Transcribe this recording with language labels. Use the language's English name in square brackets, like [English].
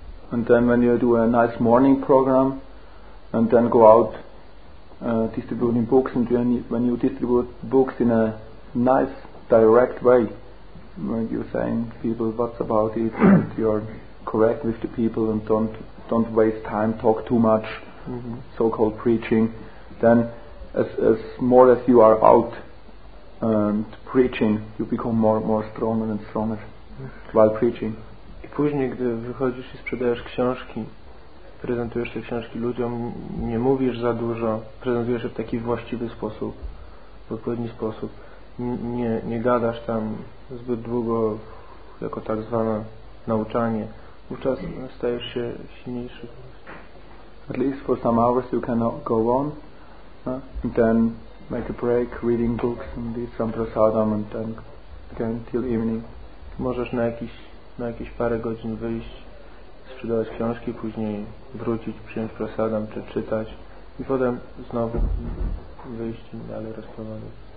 [English] And then when you do a nice morning program and then go out distributing books, and when you distribute books in a nice direct way, when you're saying people what's about it, and you're correct with the people and don't waste time, talk too much, so-called preaching, then as more as you are out and preaching, you become more stronger and stronger while preaching. [Polish] I później, gdy wychodzisz i sprzedajesz książki, prezentujesz te książki ludziom, nie mówisz za dużo, prezentujesz się w taki właściwy sposób, w odpowiedni sposób, nie gadasz tam zbyt długo jako tak zwane nauczanie. Wówczas stajesz się silniejszy. [English] At least for some hours you can go on, and then make a break, reading books and eat some prasadam, and then again till evening. [Polish] Możesz na jakieś parę godzin wyjść, sprzedawać książki, później wrócić, przyjąć prasadam, czy czytać, i potem znowu wyjść i dalej rozprowadzić.